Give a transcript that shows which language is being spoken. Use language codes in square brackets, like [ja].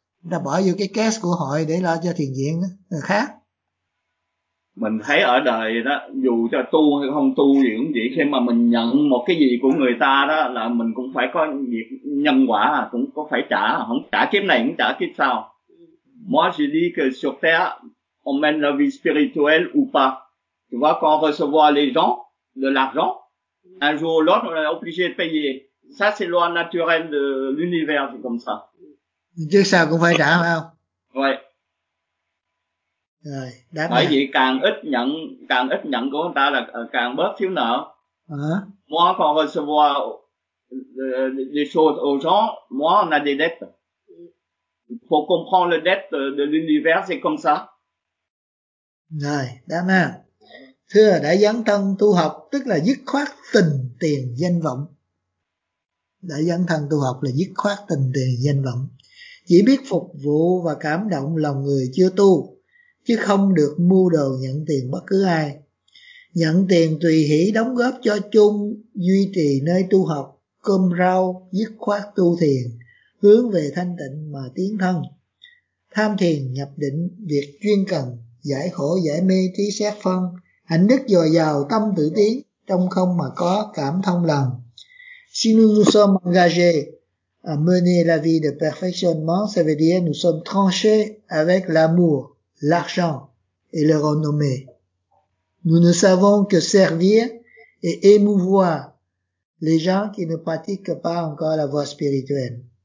[vi] Ta bỏ vô cái case của hội để lo cho thiền viện đó, khác. Mình thấy ở đời đó, dù cho tu hay không tu gì cũng vậy, khi mà mình nhận một cái gì của người ta đó là mình cũng phải có việc nhân quả, cũng có phải trả, không trả kiếp này cũng trả kiếp sau. [fr] Moi je dis que sur terre on mène la vie spirituelle ou pas. Tu vois quand recevoir les gens de l'argent, un jour ou l'autre on est obligé de payer. Ça c'est loi naturelle de l'univers, c'est comme ça. [vi] Chứ sao cũng phải trả phải không? Vậy. Rồi. Bởi vì càng ít nhận của người ta là càng bớt thiếu nợ. [fr] Moi quand je reçois des choses aux gens, moi on a des dettes. Faut comprendre le dette de l'univers, c'est comme ça. [vi] Rồi, đáp nha. Thưa, đã dấn thân tu học tức là dứt khoát tình tiền danh vọng. Đã dấn thân tu học là dứt khoát tình tiền danh vọng. Chỉ biết phục vụ và cảm động lòng người chưa tu, chứ không được mua đồ nhận tiền bất cứ ai. Nhận tiền tùy hỷ đóng góp cho chung, duy trì nơi tu học, cơm rau, dứt khoát tu thiền, hướng về thanh tịnh mà tiến thân. Tham thiền nhập định, việc chuyên cần, giải khổ giải mê trí xét phân, hạnh đức dồi dào tâm tự tiến, trong không mà có cảm thông lòng. [fr] Xin nous sommes engagés. À, mener la vie de perfectionnement, ça veut dire nous sommes tranchés avec l'amour, l'argent et le renommée. Nous ne savons que servir et émouvoir les gens qui ne pratiquent pas encore la voie spirituelle.